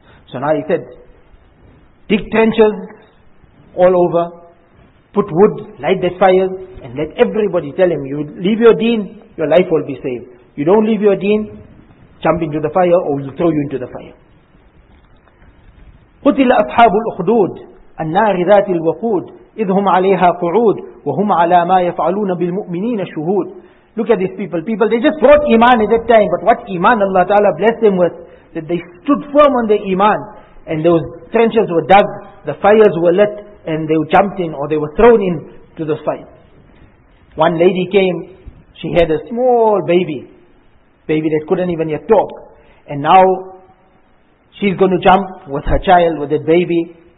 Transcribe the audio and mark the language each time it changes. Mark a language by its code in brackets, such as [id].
[en] So now he said, dig trenches all over, put wood, light the fires, and let everybody tell him, you leave your deen, your life will be saved. You don't leave your deen, jump into the fire, or we'll throw you into the fire. [ar] قتل أصحاب الأخدود النار ذات الوقود إذ هم عليها قعود وهم على ما يفعلون بالمؤمنين شهود. [en] Look at these people. People, they just brought iman at that time. But what iman Allah Ta'ala blessed them with, that they stood firm on their iman, and those trenches were dug, the fires were lit, and they jumped in, or they were thrown in to the fight. One lady came, she had a small baby that couldn't even yet talk, and now she's going to jump with her child, with that baby.